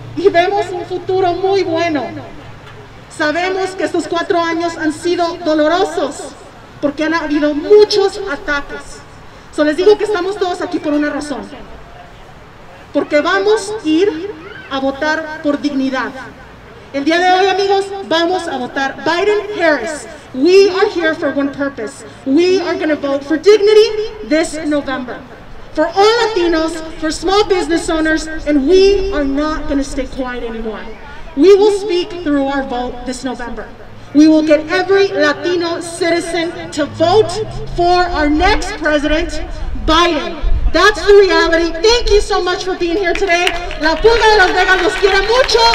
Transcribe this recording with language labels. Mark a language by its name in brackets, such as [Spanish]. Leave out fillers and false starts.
[Spanish] Y vemos un futuro muy bueno. Sabemos que estos 4 años han sido dolorosos porque han habido muchos ataques. So, les digo que estamos todos aquí por una razón. Porque vamos a ir a votar por dignidad. El día de hoy, amigos, vamos a votar Biden-Harris. [English] We are here for one purpose. We are going to vote for dignity this November. For all Latinos, for small business owners, and we are not going to stay quiet anymore. We will speak through our vote this November. We will get every Latino citizen to vote for our next president, Biden. That's the reality. Thank you so much for being here today. [Spanish] La Pulga de Las Vegas los quiere mucho.